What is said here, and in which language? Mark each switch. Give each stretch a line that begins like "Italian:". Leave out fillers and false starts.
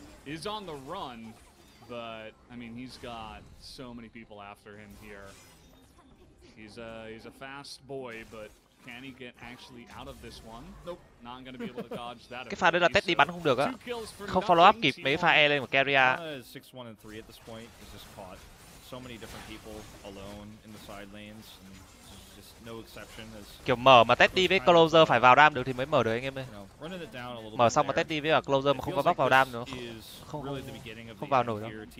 English: Is on the run, but I mean he's got so many people after him here. He's a fast boy, but can he get actually out of this one? Nope. Not gonna be able to dodge that.
Vietnamese: Cái pha đấy là Teddy bắn không được á. Không follow up kịp mấy pha E lên của Carrier.
English: 6-1 and 3 at this point. He's just caught so many different people alone in the side lanes. Just no exception.
Vietnamese: Kiểu mở mà Teddy với Closer phải vào đam được thì mới mở được anh em ơi. Mở xong mà Teddy với Closer mà không có bóc vào đam nữa. Không vào nổi đâu.